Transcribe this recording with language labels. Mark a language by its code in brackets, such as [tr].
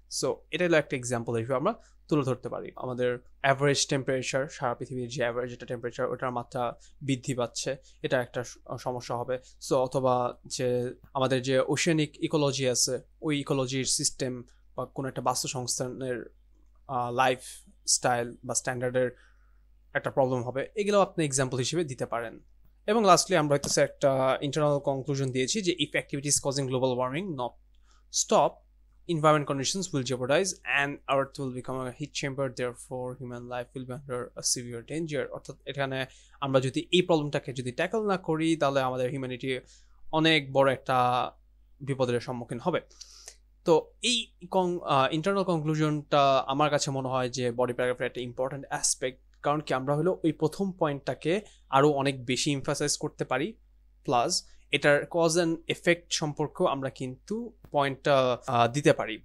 [bn] So এটা হলো একটা এক্সাম্পল হিসেবে আমরা তুলে ধরতে পারি। আমাদের অ্যাভারেজ টেম্পারেচার, সারা পৃথিবীর যে অ্যাভারেজ একটা টেম্পারেচার, ওটার মাত্রা বৃদ্ধি পাচ্ছে, এটা একটা সমস্যা হবে। সো অথবা যে আমাদের যে ওশেনিক ইকোলজি আছে, ওই ইকোলজির সিস্টেম বা কোনো একটা বাস্তু সংস্থানের লাইফ স্টাইল বা স্ট্যান্ডার্ডের একটা প্রবলেম হবে। এগুলো আপনি এক্সাম্পল হিসেবে দিতে পারেন। এবং লাস্টলি আমরা হয়তো একটা ইন্টারনাল কনক্লুশন দিয়েছি যে [en] If activities causing global warming not stop, environment conditions will jeopardize and earth will become a heat chamber, therefore human life will be under a severe danger. [bn] অর্থাৎ এখানে আমরা যদি এই প্রবলেমটাকে যদি ট্যাকল না করি তাহলে আমাদের হিউম্যানিটি অনেক বড় একটা বিপদের সম্মুখীন হবে। তো এই ইন্টারনাল কনক্লুশনটা আমার কাছে মনে হয় যে বডি প্যারাগ্রাফের একটা ইম্পর্ট্যান্ট অ্যাসপেক্ট, কারণ কি আমরা হলো ওই প্রথম পয়েন্টটাকে আরও অনেক বেশি ইমফাসাইজ করতে পারি, প্লাস এটার কজ অ্যান্ড এফেক্ট সম্পর্কেও আমরা কিন্তু পয়েন্টটা দিতে পারি।